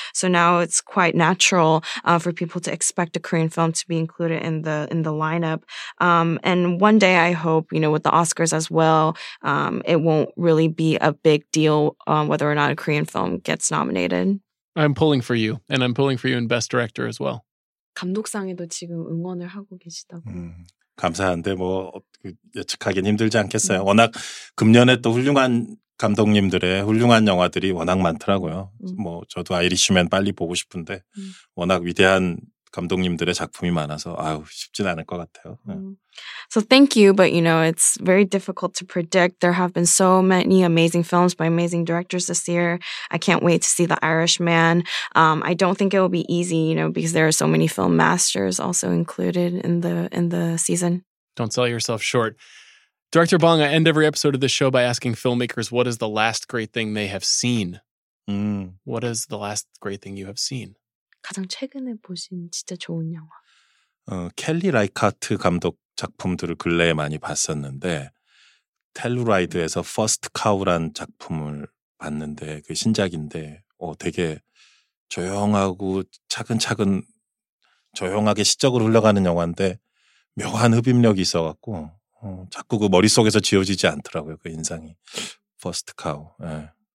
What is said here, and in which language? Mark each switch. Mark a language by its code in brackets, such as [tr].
[en] So now it's quite natural for people to expect a Korean film to be included in the lineup. And one day, I hope, you know, with the Oscars as well, it won't really be a big deal whether or not a Korean film gets nominated. I'm pulling for you, and I'm pulling for you in Best Director as well. [ko] 감독상에도 지금 응원을 하고 계시다고. 감사한데 뭐 예측하기 힘들지 않겠어요. 워낙 금년에 또 훌륭한 감독님들의 훌륭한 영화들이 워낙 많더라고요. 뭐 저도 아이리시맨 빨리 보고 싶은데 워낙 위대한 감독님들의 작품이 많아서 아우 쉽진 않을 것 같아요. [en] So thank you, but you know, it's very difficult to predict. There have been so many amazing films by amazing directors this year. I can't wait to see The Irishman. I don't think it will be easy, you know, because there are so many film masters also included in the season. Don't sell yourself short. Director Bong, I end every episode of this show by asking filmmakers, what is the last great thing they have seen? What is the last great thing you have seen? [ko] 가장 최근에 보신 진짜 좋은 영화. 켈리 라이카트 감독 작품들을 근래에 많이 봤었는데 텔루라이드에서 퍼스트 카우란 작품을 봤는데 그 신작인데 되게 조용하고 차근차근 조용하게 시적으로 흘러가는 영화인데 묘한 흡입력이 있어갖고 자꾸 그 머릿속에서 지워지지 않더라고요. 그 인상이. 퍼스트 카우. 예.